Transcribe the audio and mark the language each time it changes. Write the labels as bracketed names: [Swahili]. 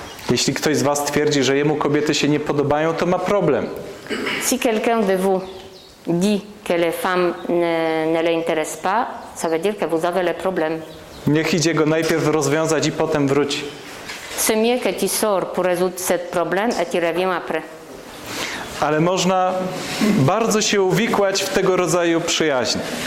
[Polish] Jeśli ktoś z was twierdzi, że jemu kobiety się nie podobają, to ma problem. [French] Si quelqu'un de vous dit que les femmes ne l'intéressent pas, ça veut dire que vous avez le problème. [Polish] Niech idzie go najpierw rozwiązać i potem wróci. [French] C'est mieux que tu sors pour résoudre ce problème et tu reviens après. [Polish] Ale można bardzo się uwikłać w tego rodzaju przyjaźń.